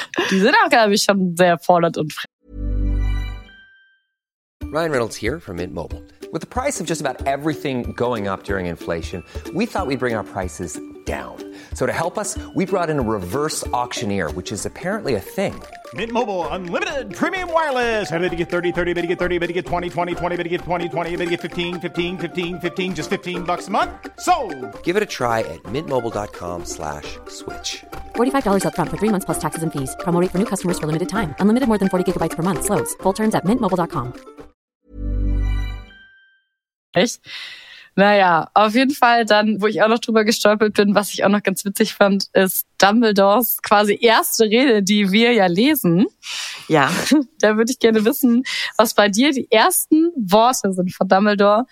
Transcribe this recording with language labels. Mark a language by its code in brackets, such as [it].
[de] Die sind auch, glaube ich, schon sehr fordert und fremd. [en] Ryan Reynolds here from Mint Mobile. With the price of just about everything going up during inflation, we thought we'd bring our prices down. So to help us, we brought in a reverse auctioneer, which is apparently a thing. Mint Mobile Unlimited Premium Wireless. How to get 30, 30, how to get 30, how to get 20, 20, 20, how to get 20, 20, how to get 15, 15, 15, 15, just $15 a month? Sold! Give it a try at mintmobile.com/switch. $45 up front for 3 months plus taxes and fees. Promo rate for new customers for limited time. Unlimited more than 40 gigabytes per month. Slows full terms at mintmobile.com. [de] Echt? Naja, auf jeden Fall dann, wo ich auch noch drüber gestolpert bin, was ich auch noch ganz witzig fand, ist Dumbledores quasi erste Rede, die wir ja lesen. Ja. Da würde ich gerne wissen, was bei dir die ersten Worte sind von Dumbledore.